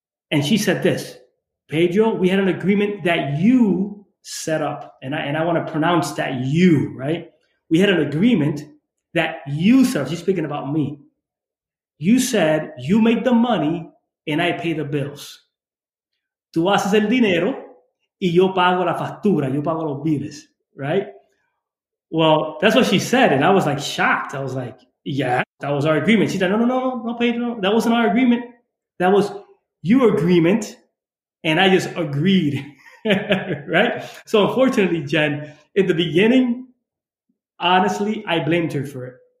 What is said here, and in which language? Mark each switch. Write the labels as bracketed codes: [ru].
[en] And she said this, Pedro, we had an agreement that you set up. And I want to pronounce that you, right? We had an agreement that you set up. She's speaking about me. You said you make the money and I pay the bills. [es] Tú haces el dinero y yo pago la factura, yo pago los biles, right? [en] Well, that's what she said, and I was like shocked. I was like, yeah, that was our agreement. She said, no, Pedro, that wasn't our agreement. That was your agreement, and I just agreed, right? So unfortunately, Jen, in the beginning, honestly, I blamed her for it.